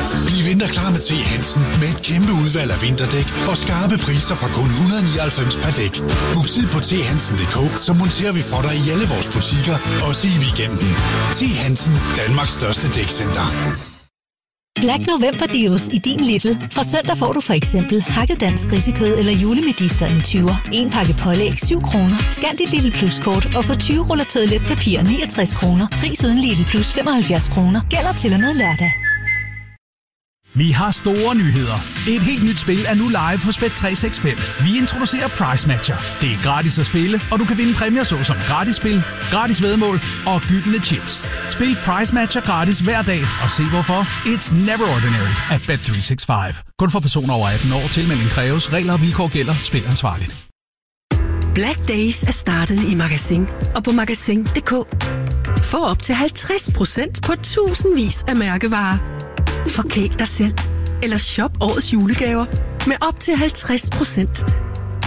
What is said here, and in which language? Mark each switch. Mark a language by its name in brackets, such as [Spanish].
[Danish] Vi venter klar med T. Hansen med et kæmpe udvalg af vinterdæk og skarpe priser fra kun 199 per dæk. Book tid på thansen.dk, så monterer vi for dig i alle vores butikker, også i weekenden. T. Hansen, Danmarks største dækcenter. Black November Deals i din Lidl. Fra søndag får du for eksempel hakket dansk risikød eller julemedister i 20'er. En pakke pålæg 7 kroner. Scan dit Lidl Plus-kort og få 20 ruller toiletpapir 69 kroner. Pris uden Lidl Plus 75 kroner. Gælder til og med lørdag. Vi har store nyheder. Et helt nyt spil er nu live hos Bet365. Vi introducerer Price Matcher. Det er gratis at spille, og du kan vinde præmier såsom gratis spil, gratis væddemål og gyldne chips. Spil Price Matcher gratis hver dag og se hvorfor. [English] It's never ordinary at Bet365. [Danish] Kun for personer over 18 år. Tilmelding kræves. Regler og vilkår gælder. Spil ansvarligt. Black Days er startet i Magasin og på magasin.dk. Få op til 50% på tusindvis af mærkevarer. Forkæl dig selv, eller shop årets julegaver med op til 50%.